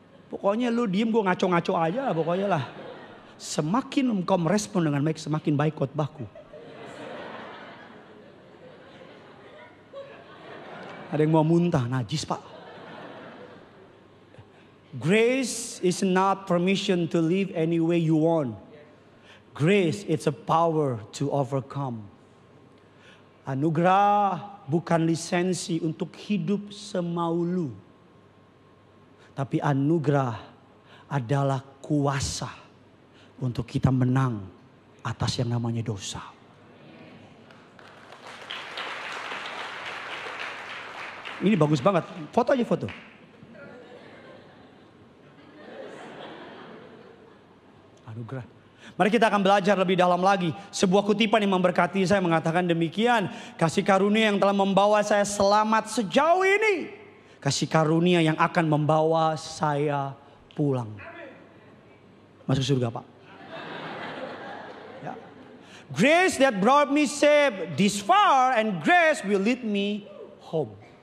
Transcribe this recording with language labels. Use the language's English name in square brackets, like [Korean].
[Indonesian] Pokoknya lu diem, gue ngaco-ngaco aja lah pokoknya lah. Semakin engkau merespon dengan baik, semakin baik khotbahku. Ada yang mau muntah, najis pak. [English] Grace is not permission to live any way you want. Grace is a power to overcome. [Indonesian] Anugerah bukan lisensi untuk hidup semau lu. Tapi anugerah adalah kuasa untuk kita menang atas yang namanya dosa. Ini bagus banget. Foto aja foto. Anugerah. Mari kita akan belajar lebih dalam lagi. Sebuah kutipan yang memberkati saya mengatakan demikian. Kasih karunia yang telah membawa saya selamat sejauh ini. Kasih karunia yang akan membawa saya pulang. Masuk surga pak. Ya. [English] Grace that brought me safe this far and grace will lead me home.